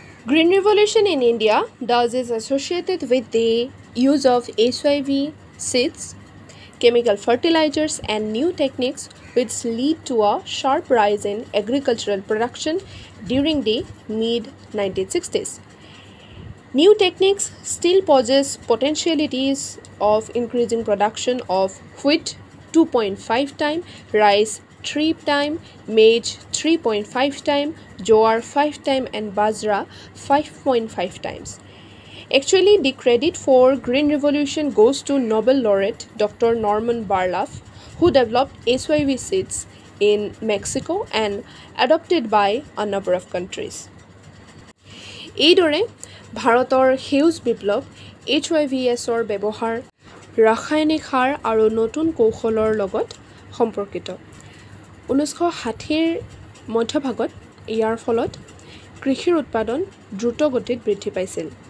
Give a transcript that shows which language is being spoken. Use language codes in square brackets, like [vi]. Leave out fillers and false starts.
[en] Green revolution in India does is associated with the use of HIV seeds, chemical fertilisers and new techniques with lead to a sharp rise in agricultural production during the mid 1960s। New techniques still poses potentialities of increasing production of wheat 2.5 times, rice 3 times, maize 3.5 times, jowar 5 times and bajra 5.5 times. Actually, the credit for Green Revolution goes to Nobel laureate Dr. Norman Barlaff, who developed HIV seeds in Mexico and adopted by a number of countries. [as] এইদৰে ভাৰতৰ সেউজ বিপ্লৱ, HIVSৰ ব্যৱহাৰ, ৰাসায়নিক সাৰ আৰু নতুন কৌশলৰ লগত সম্পৰ্কিত। 1960ৰ মধ্যভাগত ইয়াৰ ফলত কৃষিৰ উৎপাদন দ্ৰুতগতিত বৃদ্ধি পাইছিল।